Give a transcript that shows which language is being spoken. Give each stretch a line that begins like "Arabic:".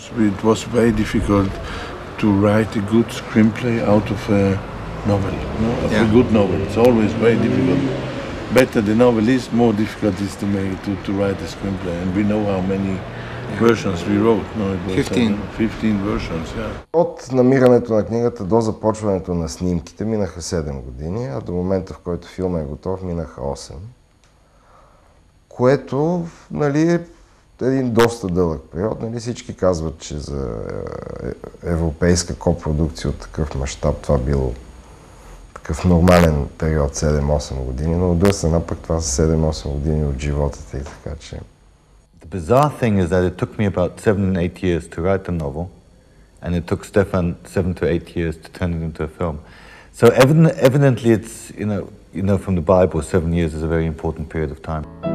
English: It was very difficult to write a good screenplay out of a novel, a good novel. It's always very difficult. Better the novel is, more difficult it is to make to write a screenplay. And we know how many versions we wrote. No, it was 15. 15 versions, yeah.
Bulgarian: От намирането на книгата до започването на снимките минаха 7 години, а до момента, в който филмът е готов, минаха 8. Което, нали, е един доста дълъг период. Нали, всички казват, че за европейска копродукция от такъв мащаб това било такъв нормален период, 7-8 години, но от друга страна пък това са 7-8 години от живота ти, така че...
English: The bizarre thing is that it took me about 7-8 years to write the novel, and it took Stefan 7-8 years to turn it into a film. So evidently it's, you know from the Bible, 7 years is a very important period of time.